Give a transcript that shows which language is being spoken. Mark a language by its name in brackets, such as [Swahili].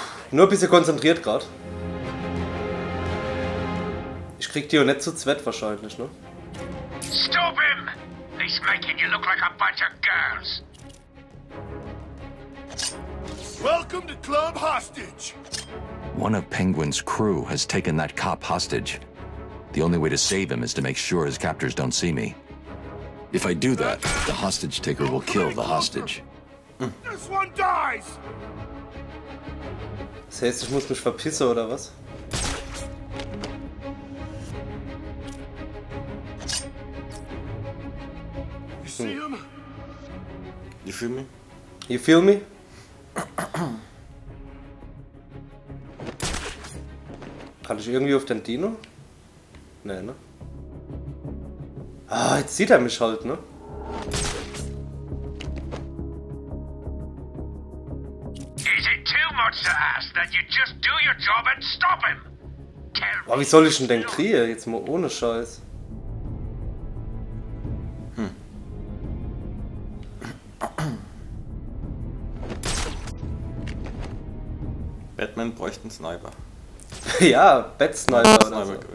[German] Nur ein bisschen konzentriert gerade. Ich krieg die ja nicht zu zweit wahrscheinlich, ne? [English] Stop him! He's making you look like a bunch of girls! Welcome to Club Hostage! One of Penguin's crew has taken that cop hostage. The only way to save him is to make sure his captors don't see me. If I do that, the hostage taker will kill the hostage. This one dies! eyes! [German] Das heißt, ich muss mich verpissen, oder was? [English] You feel me? You feel me? [German] Kann ich irgendwie auf den Dino? Nee, ne? Ah, jetzt sieht er mich halt, ne? [English] Is it too much to ask that you just do your job and stop him? [German] Boah, wie soll ich denn kriegen? Jetzt mal ohne Scheiß. Batman bräuchte einen Sniper. Ja, Bat-Sniper. Sniper, also.